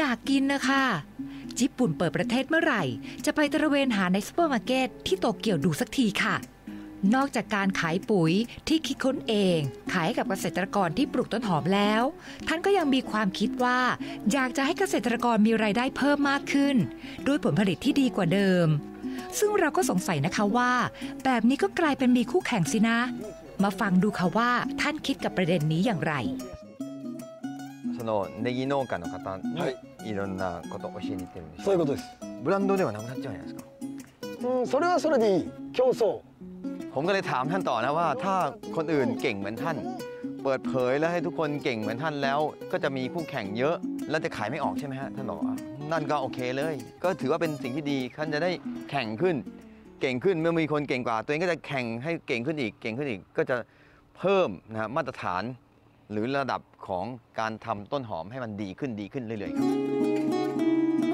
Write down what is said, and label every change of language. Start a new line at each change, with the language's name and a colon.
Thai: ยากกินนะคะญี่ปุ่นเปิดประเทศเมื่อไหร่จะไปตระเวนหาในซูเปอร์มาร์เก็ตที่โตเกียวดูสักทีค่ะนอกจากการขายปุ๋ยที่คิดค้นเองขายให้กับเกษตรกรที่ปลูกต้นหอมแล้วท่านก็ยังมีความคิดว่าอยากจะให้เกษตรกรมีรายได้เพิ่มมากขึ้นด้วยผลผลิตที่ดีกว่าเดิมซึ่งเราก็สงสัยนะคะว่าแบบนี้ก็กลายเป็นมีคู่แข่งสินะมาฟังดูค่ะว่าท่านคิดกับประเด็นนี้อย่างไร
Japanese: そのネギ農家の方にいろんなこと教えに行ってるんでしょ。そういうことです。ブランドではなくなっちゃうじゃないですか。それはそれでいい。競争
Thai: ผมก็เลยถามท่านต่อนะว่าถ้าคนอื่นเก่งเหมือนท่านเปิดเผยแล้วให้ทุกคนเก่งเหมือนท่านแล้วก็จะมีคู่แข่งเยอะแล้วจะขายไม่ออกใช่ไหมฮะท่านบอกว่านั่นก็โอเคเลยก็ถือว่าเป็นสิ่งที่ดีท่านจะได้แข่งขึ้นเก่งขึ้นเมื่อมีคนเก่งกว่าตัวเองก็จะแข่งให้เก่งขึ้นอีกเก่งขึ้นอีกก็จะเพิ่มนะมาตรฐานหรือระดับของการทำต้นหอมให้มันดีขึ้นเรื่อยๆครับ